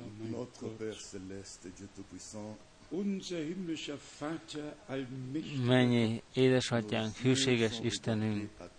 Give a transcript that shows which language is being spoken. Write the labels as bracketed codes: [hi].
[fr] Notre Père céleste, Dieu tout-puissant. [de] Unser himmlischer Vater, allmächtiger Gott. [hu] Mennyi édesatyánk, hűséges Istenünk.